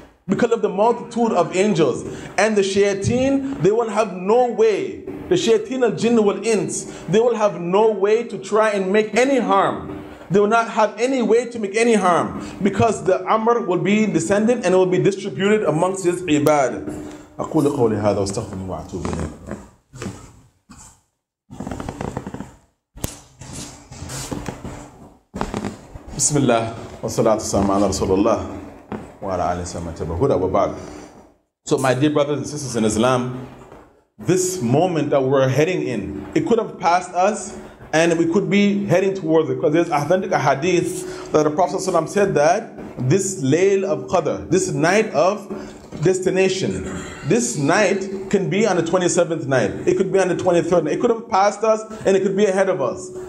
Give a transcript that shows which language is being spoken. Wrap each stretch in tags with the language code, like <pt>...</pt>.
<en>Because of the multitude of angels and the shayateen, they will have no way. The</en> <ar>shayateen al jinn wal ins,</ar> <en>they will have no way to try and make any harm. They will not have any way to make any harm, because the amr will be descended and it will be distributed amongst his ibad.</en> <ar>أقول قولي هذا واستغفر الله وأتوب إليه. بسم الله والصلاة والسلام على رسول الله وعلى آله وصحبه أجمعين. هدى وبعد.</ar> <en>So my dear brothers and sisters in Islam, this moment that we're heading in, it could have passed us and we could be heading towards it, because there's authentic hadith that the Prophet ﷺ said that this Layl of Qadr, this night of destination, this night can be on the 27th night, it could be on the 23rd night, it could have passed us and it could be ahead of us.</en>